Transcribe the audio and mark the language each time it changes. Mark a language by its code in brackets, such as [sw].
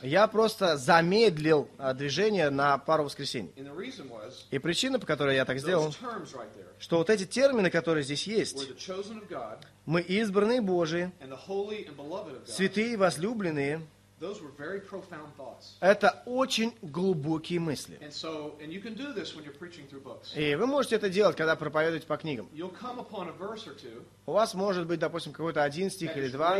[ru] Я просто замедлил движение на пару воскресений. [en] And the reason was, [ru] и причина, по которой я так сделал, [en] those terms right there, [ru] что вот эти термины, которые здесь есть, [en] were the chosen of God, [ru] мы избранные Божии, [en] and the holy and beloved of God, [ru] святые и возлюбленные, [en] those were very profound thoughts. [ru] Это очень глубокие мысли. [en] And so, and you can do this when you're preaching through books. [ru] И вы можете это делать, когда проповедуете по книгам. [en] You'll come upon a verse or two, [ru] у вас может быть, допустим, какой-то один стих или два,